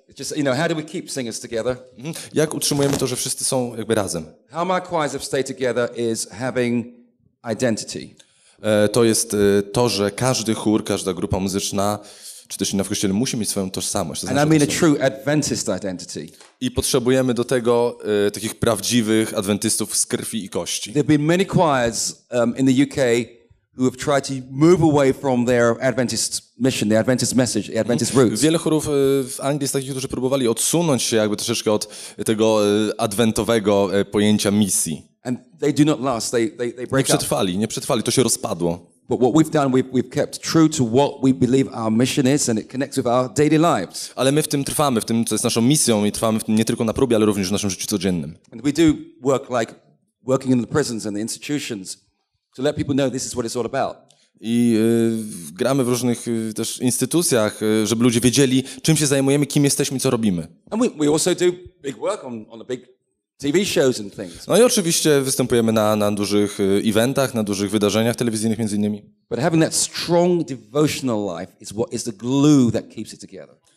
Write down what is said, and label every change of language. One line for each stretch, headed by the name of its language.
English: Just, you know, how do we keep singers together?
Polish: Jak utrzymujemy to, że wszyscy są jakby razem?
English: How my choirs have stayed together is having identity.
Polish: To jest to, że każdy chór, każda grupa muzyczna, czy też inna w kościele, musi mieć swoją tożsamość.
English: And I mean a true Adventist identity.
Polish: I potrzebujemy do tego takich prawdziwych adwentystów z krwi i kości.
English: There have been many choirs in the UK who have tried to move away from their Adventist mission, the Adventist message, the Adventist roots.
Polish: Wiele chórów w Anglii jest takich, którzy próbowali odsunąć się jakby troszeczkę od tego adwentowego pojęcia misji.
English: And they do not last. They break
Polish: up. Nie przetrwali. To się rozpadło.
English: But what we've done, we've kept true to what we believe our mission is, and it connects with our daily lives.
Polish: Ale my w tym trwamy, w tym, co jest naszą misją, i trwamy w tym nie tylko na próbie, ale również w naszym życiu codziennym.
English: And we do work like working in the prisons and the institutions to let people know this is what it's all about.
Polish: I gramy w różnych też instytucjach, żeby ludzie wiedzieli, czym się zajmujemy, kim jesteśmy, co robimy.
English: And we also do big work on the big TV shows and things.
Polish: No i oczywiście występujemy na dużych eventach, na dużych wydarzeniach telewizyjnych między innymi.
English: But having that strong devotional life is what is the glue that keeps it together.